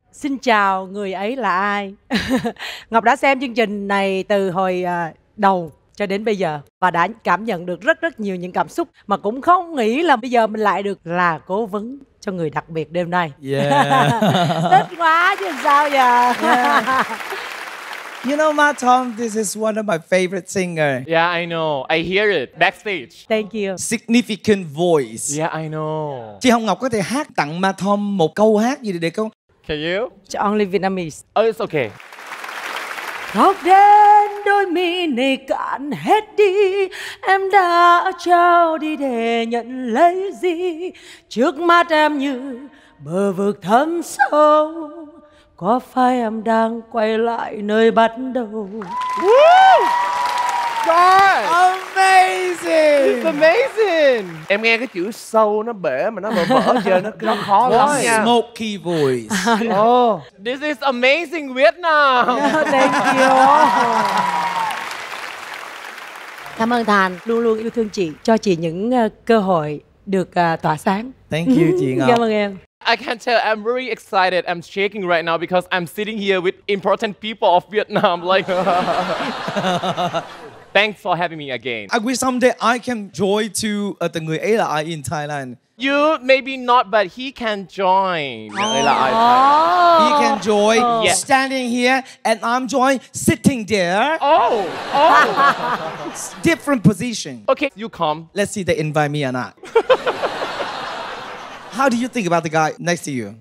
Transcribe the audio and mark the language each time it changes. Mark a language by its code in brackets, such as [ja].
[vi] Xin chào Người Ấy Là Ai. Ngọc đã xem chương trình này từ hồi đầu cho đến bây giờ và đã cảm nhận được rất rất nhiều những cảm xúc mà cũng không nghĩ là bây giờ mình lại được là cố vấn cho người đặc biệt đêm nay. Yeah. Tức quá chứ sao giờ. Yeah. [en] You know, Marathon, this is one of my favorite singer. Yeah, I know. I hear it backstage. Thank you. Significant voice. Yeah, I know. [vi] Chị Hồng Ngọc có thể hát tặng Marathon một câu hát gì để không? [en] Can you? Only Vietnamese. Oh, it's okay. [vi] Khóc đến đôi mi này cạn hết đi. Em đã trao đi để nhận lấy gì? Trước mắt em như bờ vực thâm sâu. Có phải em đang quay lại nơi bắt đầu? [en] God. Amazing. It's amazing. [vi] Em nghe cái chữ sâu nó bể mà nó vỡ chơi nó khó lắm nha. [en] Smoky voice. Oh. This is amazing Vietnam. Thank you. [vi] Cảm ơn Thành, luôn luôn yêu thương chị, cho chị những cơ hội được tỏa sáng. [en] Thank you chị Ngọc. [vi] Cảm ơn em. [en] I can tell I'm really excited. I'm shaking right now because I'm sitting here with important people of Vietnam like Thanks for having me again. I wish someday I can join to the người ấy là ai in Thailand. You maybe not, but he can join. He can join standing here and I'm join sitting there. Oh. Different position. Okay, you come. Let's see if they invite me or not. How do you think about the guy next to you?